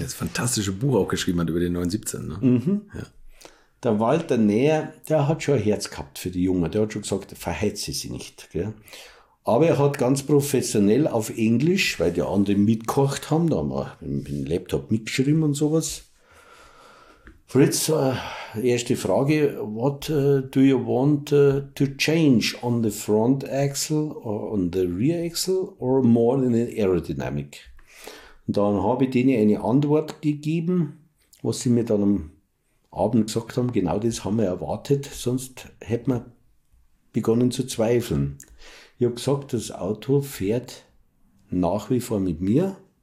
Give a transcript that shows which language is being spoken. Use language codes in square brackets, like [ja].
[de] Das fantastische Buch auch geschrieben hat über den 917. Ne? Mhm. Ja. Der Walter Näher, der hat schon ein Herz gehabt für die Jungen. Der hat schon gesagt, verheize sie nicht. Gell? Aber er hat ganz professionell auf Englisch, weil die anderen mitgekocht haben, da haben wir mit dem Laptop mitgeschrieben und sowas. [en] Fritz, [de] erste Frage, [en] what do you want to change on the front axle or on the rear axle or more in the aerodynamic? [de] Und dann habe ich denen eine Antwort gegeben, was sie mir dann am Abend gesagt haben, genau das haben wir erwartet, sonst hätten wir begonnen zu zweifeln. Ich habe gesagt, das Auto fährt nach wie vor mit mir.